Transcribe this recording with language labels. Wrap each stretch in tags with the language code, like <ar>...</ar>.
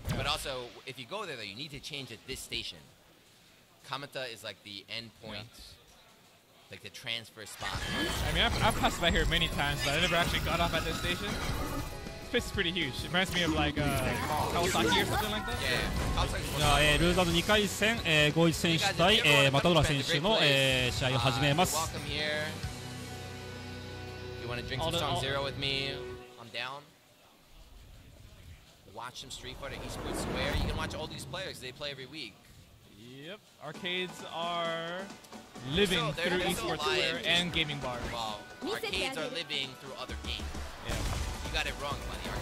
<en>Yeah. But also, if you go there though, you need to change at this station. Kamata is like the end point, like the transfer spot. I mean, I've passed by here many times, but I never actually got off at this station. This is pretty huge. It reminds me of like Kawasaki or something like that. Yeah.</en> <ja>ルーザーズ2回戦、ゴイチ選手対マタドラ選手の試合を始めます。</ja> <en>You want to drink some Strong Zero with me? I'm down. Watch some Street Fighter Eastwood Square. You can watch all these players, they play every week. Yep, arcades are living through Eastwood Square and gaming bars. Wow, arcades are living through other games. Yeah. You got it wrong, buddy.</en>